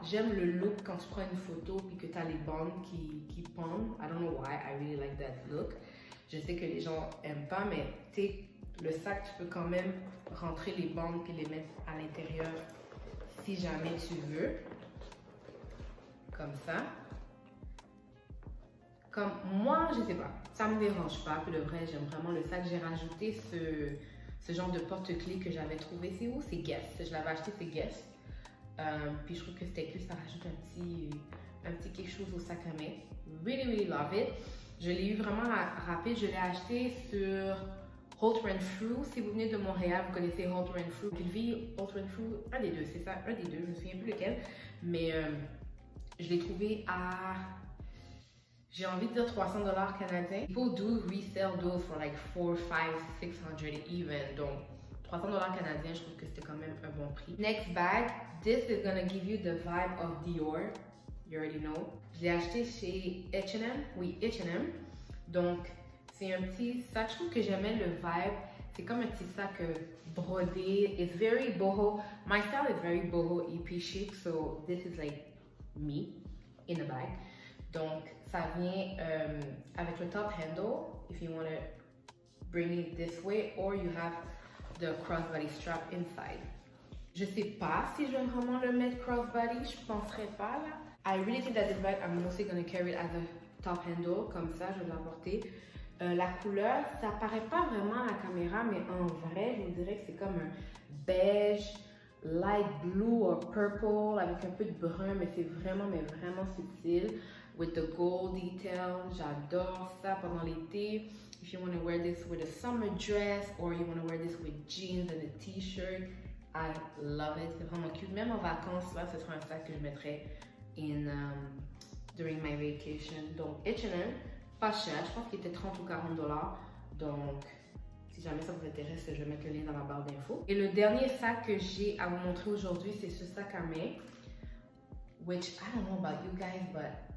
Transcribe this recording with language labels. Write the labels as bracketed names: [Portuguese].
[French] J'aime le look quand tu prends une photo et que tu as les bandes qui pendent. [English] I don't know why, I really like that look. [French] Je sais que les gens n'aiment pas, mais tu sais, le sac, tu peux quand même rentrer les bandes et les mettre à l'intérieur si jamais tu veux. Comme ça. Comme moi, je sais pas. Ça ne me dérange pas. Pour le vrai, j'aime vraiment le sac. J'ai rajouté ce genre de porte-clés que j'avais trouvé, c'est où? C'est Guess. Je l'avais acheté, c'est Guess. Puis je trouve que c'était cool, ça rajoute un petit quelque chose au sac à main. [English] Really, really love it. [French] Je l'ai eu vraiment rapide. Je l'ai acheté sur Holt Renfrew. Si vous venez de Montréal, vous connaissez Holt Renfrew. Sylvie, Holt Renfrew, un des deux, c'est ça? Un des deux, je ne me souviens plus lequel. Mais je l'ai trouvé à... J'ai envie de dire 300$ canadien. [English] People do resell those for like 4, 5, 600 even. [French] Donc, 300$ canadien, je trouve que c'était quand même un bon prix. [English] Next bag. This is gonna give you the vibe of Dior. You already know. [French] Je l'ai acheté chez H&M. Oui, H&M. Donc, c'est un petit sac. Je trouve que j'aimais le vibe. C'est comme un petit sac brodé. [English] It's very boho. My style is very boho [French] et chic. [English] So, this is like me in a bag. [French] Donc, ça vient avec le top handle, [English] if you want to bring it this way, or you have the crossbody strap inside. [French] Je sais pas si je vais vraiment le mettre crossbody, je penserais pas là. [English] I really think that this bag, I'm also going to carry it as a top handle, [French] comme ça, je vais l'emporter. La couleur, ça paraît pas vraiment à la caméra, mais en vrai, je vous dirais que c'est comme un beige, [English] light blue or purple, [French] avec un peu de brun, mais c'est vraiment, mais vraiment subtil. [English] With the gold detail, [French] j'adore ça pendant l'été. [English] If you want to wear this with a summer dress or you want to wear this with jeans and a t-shirt, I love it. [French] C'est vraiment cute. Même en vacances, là, ce sera un sac que je mettrai [English] during my vacation. [French] Donc, H&M, pas cher. Je pense qu'il était 30 ou 40 dollars. Donc, si jamais ça vous intéresse, je vais mettre le lien dans la barre d'infos. Et le dernier sac que j'ai à vous montrer aujourd'hui, c'est ce sac à main. [English] Which, I don't know about you guys, but...